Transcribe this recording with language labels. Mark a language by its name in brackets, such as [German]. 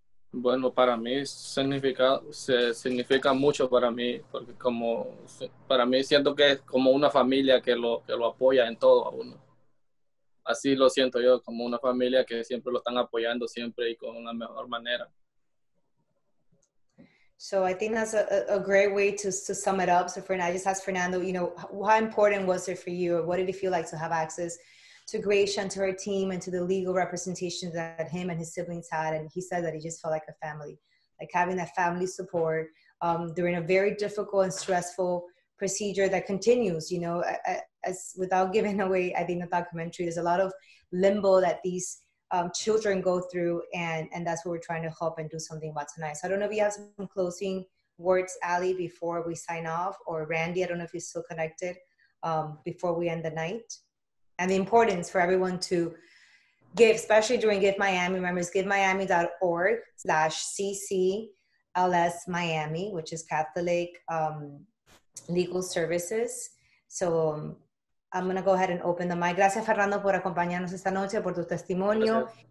[Spanish] Bueno, para mí significa mucho para mí, porque como para mí siento que es como una familia que lo apoya en todo a uno. Así lo siento yo, como una familia que siempre lo están apoyando siempre y con la mejor manera. [English] So I think that's a great way to sum it up. So Fernando, I just asked Fernando, you know, how important was it for you, or what did it feel like to have access to Gracia, to her team, and to the legal representation that him and his siblings had? And he said that he just felt like a family, like having that family support during a very difficult and stressful procedure that continues, you know, as without giving away, I think, the documentary, there's a lot of limbo that these children go through, and that's what we're trying to help and do something about tonight. So I don't know if you have some closing words, Ali, before we sign off, or Randy, I don't know if you're still connected, before we end the night. And the importance for everyone to give, especially during Give Miami. Remember, it's givemiami.org/CCLSMiami, which is Catholic Legal Services. So I'm going to go ahead and open the mic. [Spanish] Gracias, Fernando, por acompañarnos esta noche, por tu testimonio.